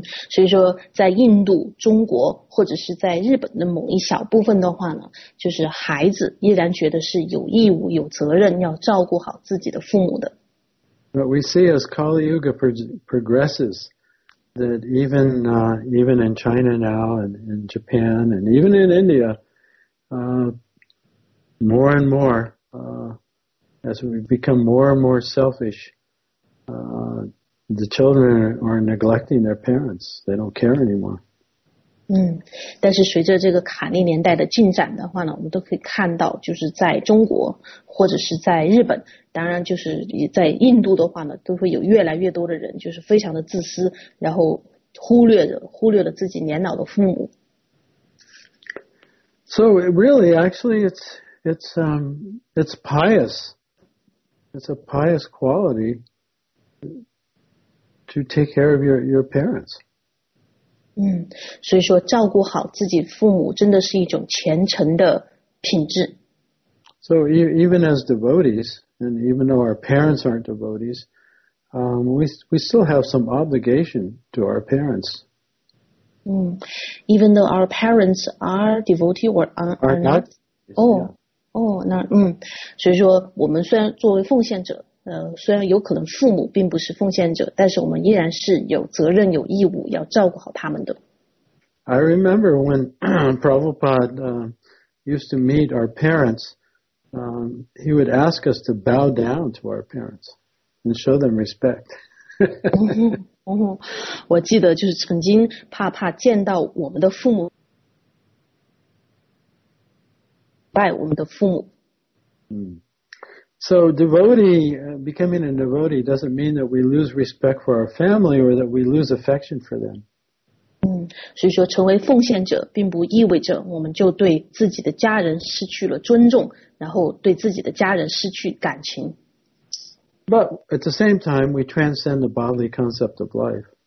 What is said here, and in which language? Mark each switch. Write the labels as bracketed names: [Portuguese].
[Chinese] 所以说在印度中国或者是在日本的某一小部分的话呢就是孩子依然觉得是有义务有责任要照顾好自己的父母的。 [English] But we see as Kali Yuga progresses that even in China now and in Japan and even in India, more and more, as we become more and more selfish, the children are neglecting their parents. They don't care anymore. [Chinese] 但是随着这个卡利年代的进展的话呢，我们都可以看到，就是在中国或者是在日本，当然就是在印度的话呢，都会有越来越多的人就是非常的自私，然后忽略了自己年老的父母。 [English] So really, actually, it's pious. It's a pious quality to take care of your parents. [Chinese] 所以说照顾好自己父母真的是一种虔诚的品质。 [English] So even as devotees, and even though our parents aren't devotees, we still have some obligation to our parents. Even though our parents are devotee or are not, not. [Chinese] 所以说我们虽然作为奉献者，虽然有可能父母并不是奉献者，但是我们依然是有责任、有义务要照顾好他们的。 [English] I remember when Prabhupada used to meet our parents, he would ask us to bow down to our parents and show them respect. [Chinese] 我记得就是曾经帕帕见到我们的父母，拜我们的父母。 [English] So devotee, becoming a devotee doesn't mean that we lose respect for our family or that we lose affection for them. [Chinese] 所以说成为奉献者并不意味着我们就对自己的家人失去了尊重，然后对自己的家人失去感情。 [English] But at the same time, we transcend the bodily concept of life.